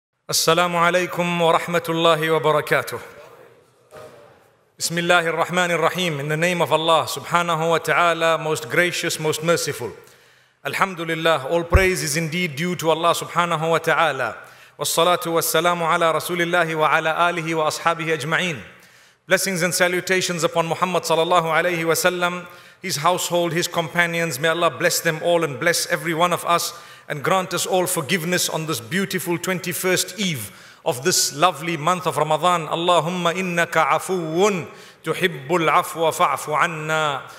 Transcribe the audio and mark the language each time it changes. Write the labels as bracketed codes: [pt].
[ar] السلام عليكم ورحمة الله وبركاته. بسم الله الرحمن الرحيم. [en] In the name of Allah, [ar] سبحانه وتعالى, [en] most gracious, most merciful. [ar] الحمد لله. [en] All praise is indeed due to Allah, [ar] سبحانه وتعالى. والصلاة والسلام على رسول الله وعلى آله وأصحابه أجمعين. [en] Blessings and salutations upon Muhammad [ar] صلى الله عليه وسلم, [en] his household, his companions. May Allah bless them all and bless every one of us and grant us all forgiveness on this beautiful 21st eve of this lovely month of Ramadan. [ar] Allahumma innaka afuun tuhibbul afwa fa'afu anna.